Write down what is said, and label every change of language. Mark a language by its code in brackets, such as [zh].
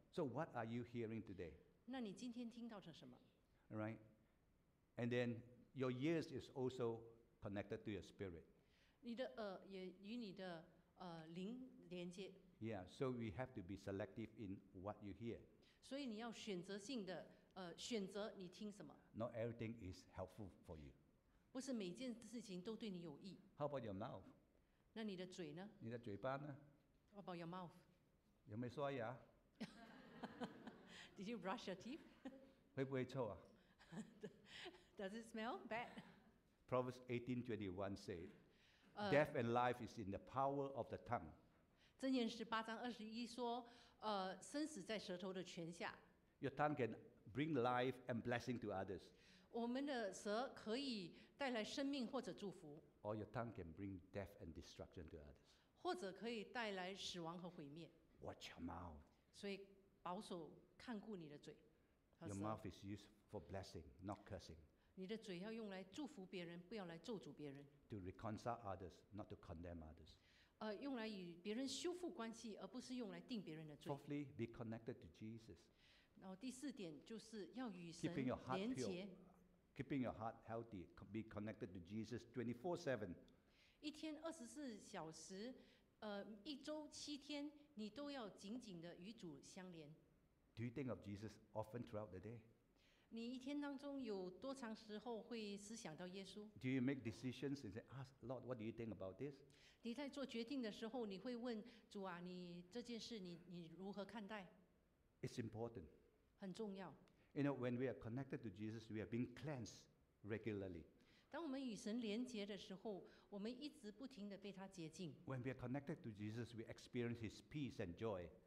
[en] so what are you hearing today [zh] 那你今天听到了什么 [en] right and then your ears is also connected to your spirit [zh] 你的也与你的灵连接 [en] yeah so we have to be selective in what you hear [zh] 所以你要选择性的选择你听什么 [en] not everything is helpful for you [zh] 不是每件事情都对你有益。 [en] How about your mouth? [zh] 那你的嘴呢？你的嘴巴呢 [en] ？How about your mouth? [zh] 有没有刷牙 [en] ？Did you brush your teeth? [zh] 会不会臭啊 [en] ？Does it smell bad? Proverbs 18:21 said, "Death and life is in the power of the tongue." [zh] 箴言十八章二十一说，生死在舌头的权下。 [en] Your tongue can bring life and blessing to others. [zh] 我们的舌可以带来生命或者祝福 [en] or your tongue can bring death and destruction to others [zh] 或者可以带来死亡和毁灭 [en] watch your mouth [zh] 所以保守看顾你的嘴 [en] your mouth is used for blessing not cursing [zh] 你的嘴要用来祝福别人，不要来咒诅别人。 [en] To reconcile others, not to condemn others. [zh] 用来与别人修复关系，而不是用来定别人的罪。 [en] Fourthly, be connected to Jesus. [zh] 然后第四点就是要与神连结。 [en] Keeping your heart healthy, be connected to Jesus 24/7. [zh] 一天二十四小时，一周七天，你都要紧紧的与主相连。 [en] Do you think of Jesus often throughout the day? [zh] 你一天当中有多长时候会思想到耶稣？ [en] Do you make decisions and say, "Ask Lord, what do you think about this?" [zh] 你在做决定的时候，你会问主啊，你这件事你如何看待？ [en] It's important. [zh] 很重要。 [en] You know, when we are connected to Jesus, we are being cleansed regularly. [zh] 当我们与神连结的时候，我们一直不停地被他洁净。 [en] When we are connected to Jesus, we experience His peace and joy.